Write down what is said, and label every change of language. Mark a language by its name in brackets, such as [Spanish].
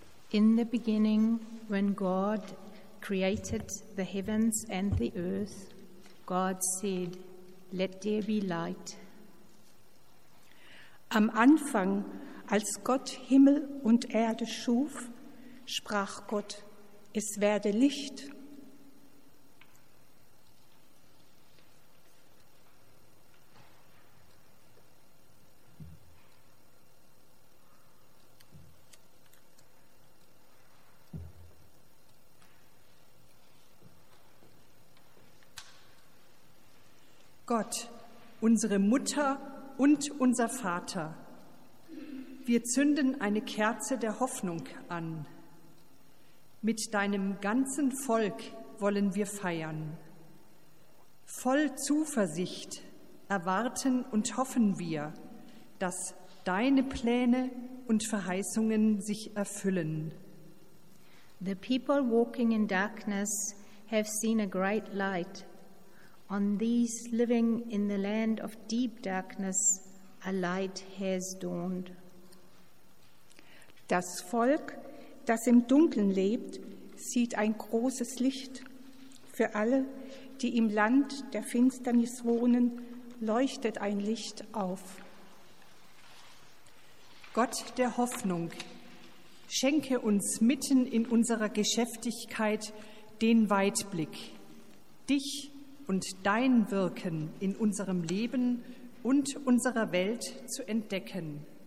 [English] In the beginning, when God created the heavens and the earth, God said, "Let there be light." [German] Am Anfang, als Gott Himmel und Erde schuf, sprach Gott, es werde Licht. Gott, unsere Mutter und unser Vater, wir zünden eine Kerze der Hoffnung an. Mit deinem ganzen Volk wollen wir feiern. Voll Zuversicht erwarten und hoffen wir, dass deine Pläne und Verheißungen sich erfüllen. [English] The people walking in darkness have seen a great light. On these living in the land of deep darkness, a light has dawned. [German] Das Volk, das im Dunkeln lebt, sieht ein großes Licht. Für alle, die im Land der Finsternis wohnen, leuchtet ein Licht auf. Gott der Hoffnung, schenke uns mitten in unserer Geschäftigkeit den Weitblick, dich und dein Wirken in unserem Leben und unserer Welt zu entdecken.